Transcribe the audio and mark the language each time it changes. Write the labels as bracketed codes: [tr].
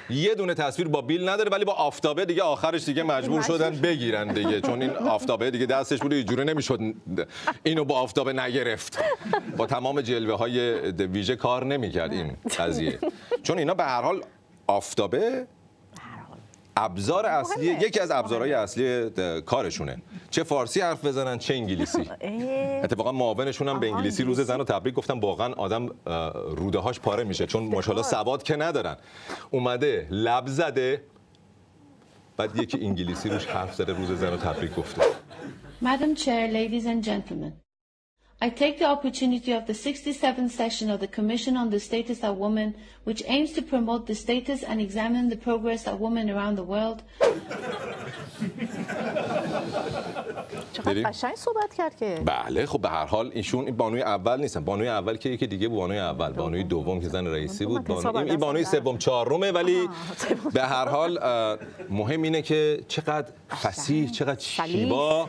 [fa] یه دونه تصویر با بیل نداره، ولی با آفتابه دیگه آخرش دیگه مجبور شدن بگیرن دیگه، چون این آفتابه دیگه دستش بود یه جوری نمیشد اینو با آفتابه نگرفت، با تمام جلوه های ویژه کار نمیکرد این قضیه، چون اینا به هر حال آفتابه ابزار اصلی، یکی از ابزارهای اصلی کارشونه، چه فارسی حرف بزنن چه انگلیسی. اتفاقا معاونشون هم به انگلیسی روز زن رو تبریک گفتن، واقعا آدم روده هاش پاره میشه، چون ماشاءالله سواد که ندارن، اومده لب زده بعد یکی انگلیسی روش حرف زده روز زن رو تبریک گفته. [en] Madam Chair, ladies and gentlemen, I take the opportunity of the 67th session of the Commission on the Status of Women, which aims to promote the status and examine the progress of women around the world. [fa] چقدر قشنگ صحبت کرد که. بله خب به هر حال ایشون بانوی اول نیستن، بانوی اول که یکی دیگه بود، بانوی اول، بانوی دوم که زن رئیسی بود، بانوی سوم چهارمه، ولی به هر حال مهم اینه که چقدر فصیح، چقدر شیبا،